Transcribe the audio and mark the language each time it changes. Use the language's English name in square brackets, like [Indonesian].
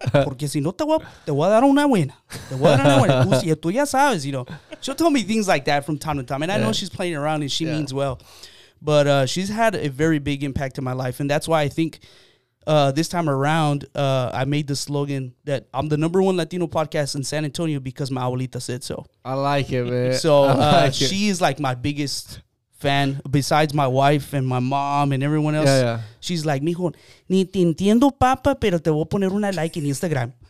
[Spanish] Porque si no te voy a dar una buena. Te voy a dar una buena. Y tú ya sabes, [English] you know. She'll tell me things like that from time to time. And I know she's playing around and she means well. But she's had a very big impact in my life. And that's why I think this time around, I made the slogan that I'm the number one Latino podcast in San Antonio because my abuelita said so. I like it, man. So she is like my biggest fan besides my wife and my mom and everyone else. Yeah. She's like, [Spanish] mijo, ni te entiendo, papa, pero te voy a poner una like en Instagram.